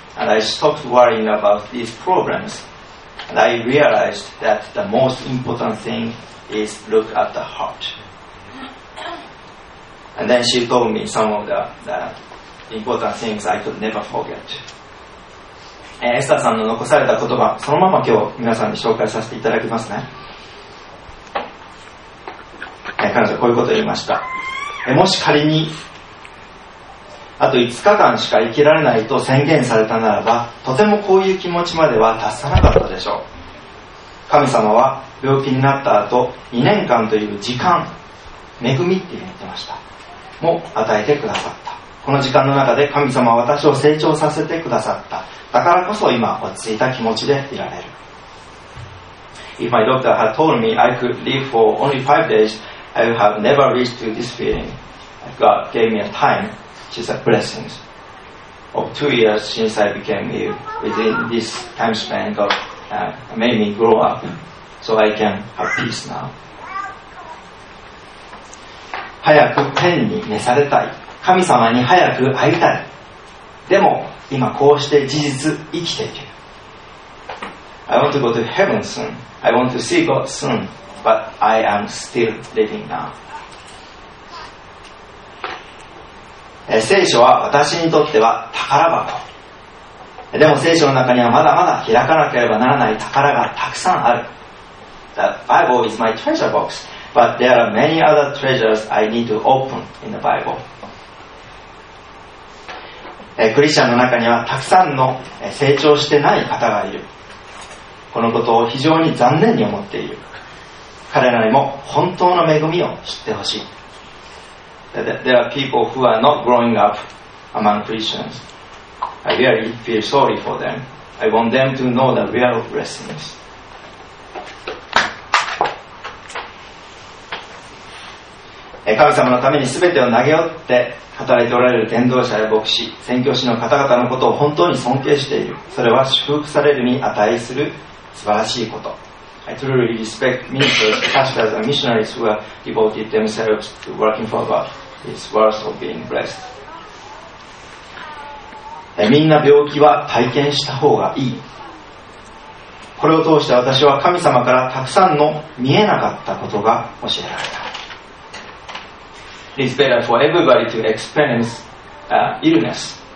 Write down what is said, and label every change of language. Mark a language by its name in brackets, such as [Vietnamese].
[English] And I stopped worrying about these problems. And I realized that the most important thing is look at the heart. And then she told me some of the important things I could never forget. [Japanese] エスターさんの残された言葉、そのまま今日皆さんに紹介させていただきますね。彼女はこういうことを言いました。もし仮にあと5日間しか生きられないと宣言されたならば、とてもこういう気持ちまでは達さなかったでしょう。神様は病気になった後、2年間という時間、恵みって言ってました、も与えてくださった。この時間の中で神様は私を成長させてくださった。だからこそ今落ち着いた気持ちでいられる。 [English] If my doctor had told me I could live for only 5 days, I would have never reached to this feeling. God gave me a time. She's a blessing of 2 years since I became ill. Within this time span, God made me grow up so I can have peace now. [Japanese] 早く天に召されたい。神様に早く会いたい。でも今こうして事実生きている。 [English] I want to go to heaven soon. I want to see God soon. But I am still living now. [Japanese] 聖書は私にとっては宝箱。でも聖書の中にはまだまだ開かなければならない宝がたくさんある。 [English] The Bible is my treasure box, but there are many other treasures I need to open in the Bible. [Japanese] クリスチャンの中にはたくさんの成長してない方がいる。このことを非常に残念に思っている。彼らにも本当の恵みを知ってほしい。 [English] There are people who are not growing up among Christians. I really feel sorry for them. I want them to know the real blessings. [Japanese] 神様のために全てを投げ負って働いておられる伝道者や牧師、宣教師の方々のことを本当に尊敬している。それは祝福されるに値する素晴らしいこと。 [English] I truly respect ministers, pastors and missionaries who have devoted themselves to working for God. It's worth of being blessed. [Japanese] みんな病気は体験した方がいい。これを通して私は神様からたくさんの見えなかったことが教えられた。 [English] It is better for everybody to experience illness.